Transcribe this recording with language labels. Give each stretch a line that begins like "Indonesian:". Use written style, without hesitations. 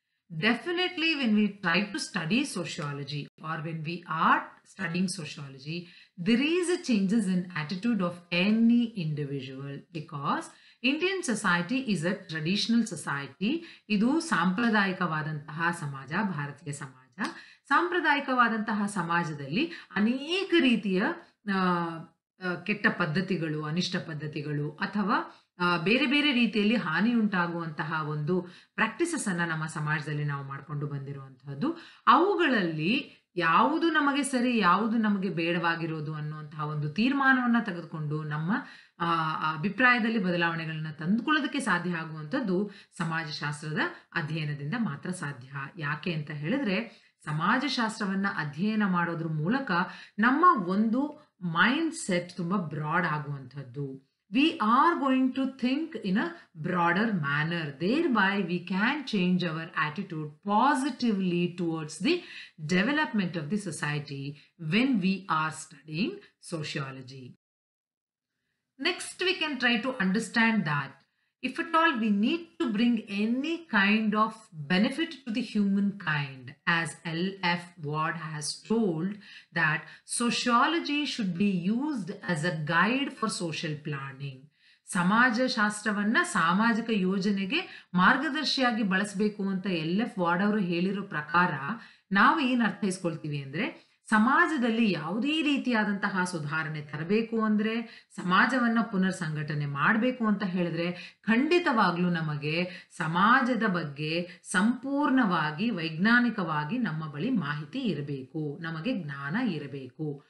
English: Definitely, when we try to study sociology or when we are studying sociology, there is a changes in attitude of any individual, because Indian society is a traditional society.
Kannada: ಇದು ಸಾಂಪ್ರದಾಯಿಕವಾದಂತಹ ಸಮಾಜ, ಭಾರತೀಯ ಸಮಾಜ. ಸಾಂಪ್ರದಾಯಿಕವಾದಂತಹ ಸಮಾಜದಲ್ಲಿ ಅನೇಕ ರೀತಿಯ ಕೆಟ್ಟ ಪದ್ಧತಿಗಳು, ಅನಿಷ್ಟ ಪದ್ಧತಿಗಳು ಅಥವಾ ಬೇರೆ ಬೇರೆ ರೀತಿಯಲ್ಲಿ ಹಾನಿ ಉಂಟಾಗುವಂತಹ ಒಂದು ಪ್ರಾಕ್ಟೀಸಸ್ಸನ್ನು ನಮ್ಮ ಸಮಾಜದಲ್ಲಿ ನಾವು ಮಾಡಿಕೊಂಡು ಬಂದಿರುವಂಥದ್ದು. ಅವುಗಳಲ್ಲಿ ಯಾವುದು ನಮಗೆ ಸರಿ, ಯಾವುದು ನಮಗೆ ಬೇಡವಾಗಿರೋದು ಅನ್ನುವಂತಹ ಒಂದು ತೀರ್ಮಾನವನ್ನು ತೆಗೆದುಕೊಂಡು ನಮ್ಮ ಅಭಿಪ್ರಾಯದಲ್ಲಿ ಬದಲಾವಣೆಗಳನ್ನು ತಂದುಕೊಳ್ಳೋದಕ್ಕೆ ಸಾಧ್ಯ ಆಗುವಂಥದ್ದು ಸಮಾಜಶಾಸ್ತ್ರದ ಅಧ್ಯಯನದಿಂದ ಮಾತ್ರ ಸಾಧ್ಯ. ಯಾಕೆ ಅಂತ ಹೇಳಿದ್ರೆ, ಸಮಾಜಶಾಸ್ತ್ರವನ್ನು ಅಧ್ಯಯನ ಮಾಡೋದ್ರ ಮೂಲಕ ನಮ್ಮ ಒಂದು ಮೈಂಡ್ ಸೆಟ್ ತುಂಬ ಬ್ರಾಡ್ ಆಗುವಂಥದ್ದು.
English: We are going to think in a broader manner, thereby we can change our attitude positively towards the development of the society when we are studying sociology. Next, we can try to understand that if at all we need to bring any kind of benefit to the humankind, as L.F. Ward has told that sociology should be used as a guide for social planning.
Kannada: ಸಮಾಜಶಾಸ್ತ್ರವನ್ನು ಸಾಮಾಜಿಕ ಯೋಜನೆಗೆ ಮಾರ್ಗದರ್ಶಿಯಾಗಿ ಬಳಸಬೇಕು ಅಂತ L.F. Ward ಅವರು ಹೇಳಿರೋ ಪ್ರಕಾರ ನಾವು ಏನು ಅರ್ಥೈಸ್ಕೊಳ್ತೀವಿ ಅಂದರೆ, ಸಮಾಜದಲ್ಲಿ ಯಾವುದೇ ರೀತಿಯಾದಂತಹ ಸುಧಾರಣೆ ತರಬೇಕು ಅಂದರೆ, ಸಮಾಜವನ್ನು ಪುನರ್ ಸಂಘಟನೆ ಮಾಡಬೇಕು ಅಂತ ಹೇಳಿದ್ರೆ, ಖಂಡಿತವಾಗಲೂ ನಮಗೆ ಸಮಾಜದ ಬಗ್ಗೆ ಸಂಪೂರ್ಣವಾಗಿ ವೈಜ್ಞಾನಿಕವಾಗಿ ನಮ್ಮ ಬಳಿ ಮಾಹಿತಿ ಇರಬೇಕು, ನಮಗೆ ಜ್ಞಾನ ಇರಬೇಕು.